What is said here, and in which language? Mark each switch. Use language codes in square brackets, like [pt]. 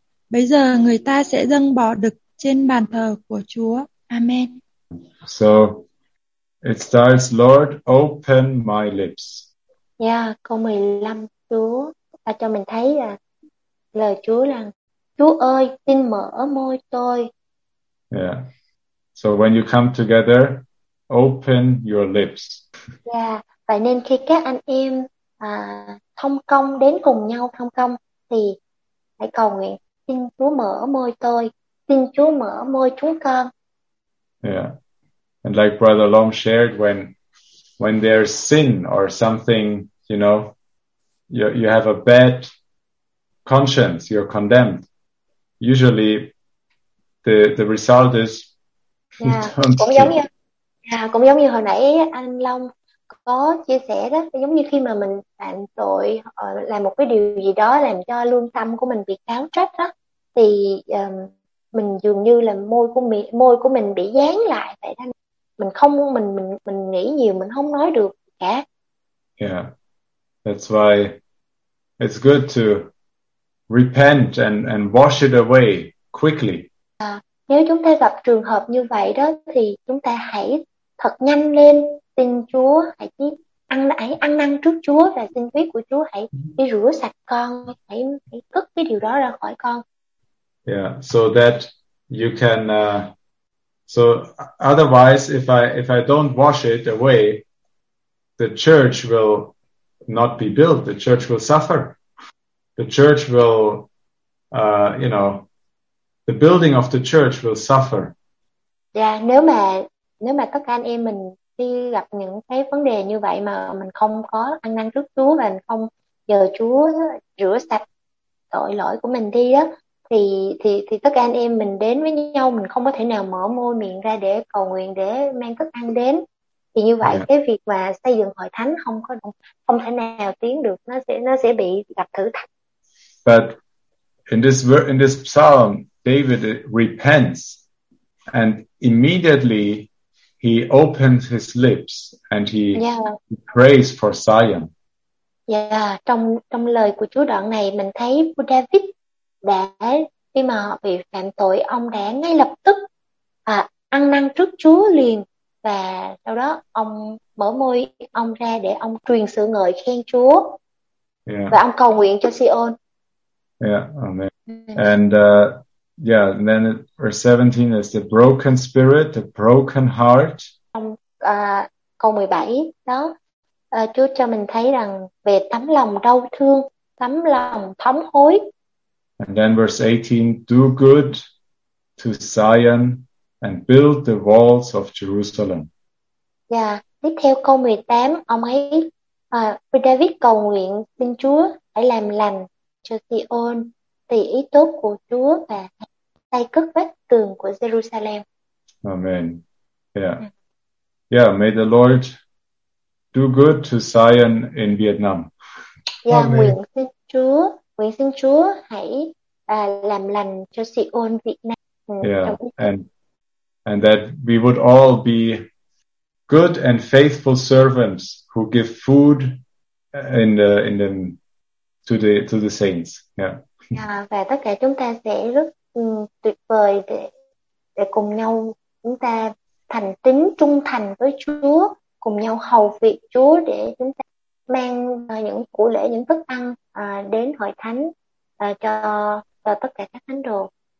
[vi] Bây giờ người ta sẽ dâng bỏ đực trên bàn thờ của Chúa. [en] Amen. So, it starts, Lord, open my lips. [vi] Yeah, câu 15, Chúa ta cho mình thấy là lời Chúa là Chúa ơi, xin mở môi tôi. [en] Yeah. So when you come together, open your lips. Yeah. [vi] Vậy nên khi các anh em thông công đến cùng nhau thông công thì hãy cầu nguyện: xin Chúa mở môi tôi, xin Chúa mở môi chúng con. [en] Yeah. And like Brother Long shared, when there's sin or something, you know, you have a bad conscience, you're condemned. Usually, the result is. [vi] Cũng giống như, cũng giống như hồi nãy anh Long có chia sẻ đó, giống như khi mà mình phạm tội, làm một cái điều gì đó làm cho lương tâm của mình bị cáo trách đó, thì mình dường như là môi của mình bị dán lại vậy đó. Mình nghĩ nhiều, mình không nói được cả. [en] Yeah, that's why it's good to repent and wash it away quickly. [vi] Nếu chúng ta gặp trường hợp như vậy đó thì chúng ta hãy thật nhanh lên xin Chúa, hãy ăn năn trước Chúa và xin huyết của Chúa hãy đi rửa sạch con, hãy cất cái điều đó ra khỏi con. [en] Yeah, so that you can so otherwise if I don't wash it away, the church will not be built, the church will suffer. The church will you know, the building of the church will suffer. [vi] Yeah, nếu mà tất cả anh em mình đi gặp những cái vấn đề như vậy mà mình không có ăn năn trước Chúa và mình không nhờ Chúa rửa sạch tội lỗi của mình đi đó, thì tất cả anh em mình đến với nhau mình không có thể nào mở môi miệng ra để cầu nguyện để mang thức ăn đến, thì như vậy cái việc mà xây dựng hội thánh không thể nào tiến được, nó sẽ bị gặp thử thách. [en] But in this psalm, David repents and immediately he opens his lips and he prays for Zion. [vi] Yeah, trong lời của Chúa đoạn này mình thấy David đã, khi mà họ bị phạm tội, ông đã ngay lập tức ăn năn trước Chúa liền, và sau đó ông mở môi ông ra để ông truyền sự ngợi khen Chúa. [en] Yeah. [vi] Và ông cầu nguyện cho Sion. [en] Yeah, amen. And and then verse 17 is the broken spirit, the broken heart. [vi] Câu 17 đó, Chúa cho mình thấy rằng về tấm lòng đau thương, tấm lòng thống hối. [en] And then verse 18, do good to Zion and build the walls of Jerusalem. [vi] Yeah, tiếp theo câu 18, ông ấy với David cầu nguyện xin Chúa hãy làm lành cho Sion, tùy ý tốt của Chúa và xây cất vách tường của Jerusalem. [en] Amen. Yeah. Yeah, may the Lord do good to Zion in Vietnam. Yeah, amen. [vi] Nguyện xin Chúa hãy làm lành cho Sion Việt Nam. [en] Yeah, and that we would all be good and faithful servants who give food to the saints. Yeah. [vi] Và tất cả chúng ta sẽ rất tuyệt vời để cùng nhau chúng ta thành tín trung thành với Chúa, cùng nhau hầu việc Chúa để chúng ta mang những của lễ, những thức ăn đến hội thánh cho tất cả các thánh đồ.